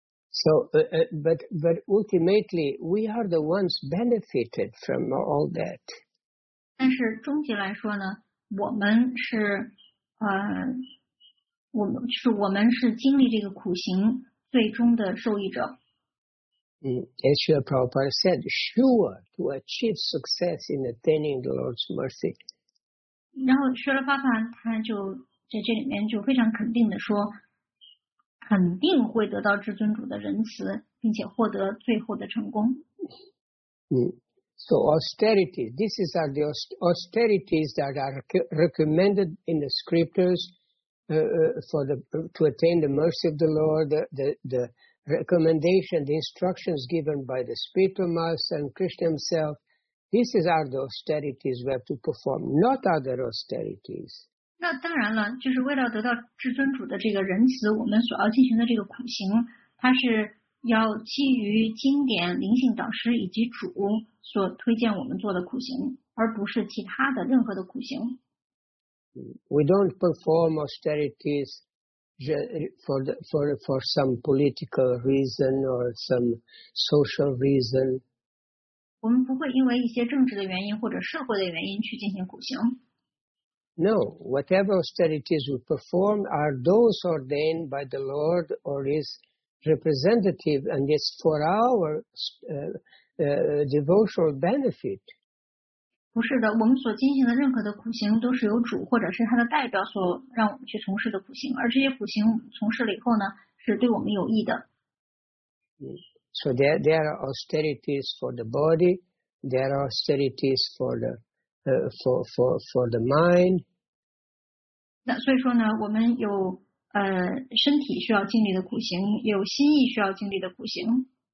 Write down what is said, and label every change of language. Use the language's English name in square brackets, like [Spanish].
[English] So, but ultimately, we are the ones benefited from all that. [Chinese] 但是终极来说呢，我们是经历这个苦行最终的受益者。 [English] As Srila Prabhupada said, sure to achieve success in attaining the Lord's mercy. [Chinese] 然后Srila Prabhupada他就在这里面就非常肯定的说，肯定会得到至尊主的仁慈，并且获得最后的成功。 [English] So austerity, these are the austerities that are recommended in the scriptures to attain the mercy of the Lord, the recommendation, the instructions given by the spiritual master and Krishna himself. These are the austerities we have to perform, not other austerities. [Chinese] 那当然了，就是为了得到至尊主的这个仁慈，我们所要进行的这个苦行，它是要基于经典、灵性导师以及主所推荐我们做的苦行，而不是其他的任何的苦行。 [English] We don't perform austerities for some political reason or some social reason. [Chinese] 我们不会因为一些政治的原因或者社会的原因去进行苦行。 [English] No, whatever austerities we perform are those ordained by the Lord or His representative, and it's for our devotional benefit. [Chinese] 不是的，我们所进行的任何的苦行都是由主或者是他的代表所让我们去从事的苦行，而这些苦行从事了以后呢，是对我们有益的。 [English] So there are austerities for the body, there are austerities for the for the mind. [Chinese] 那所以说呢，我们有身体需要经历的苦行，有心意需要经历的苦行。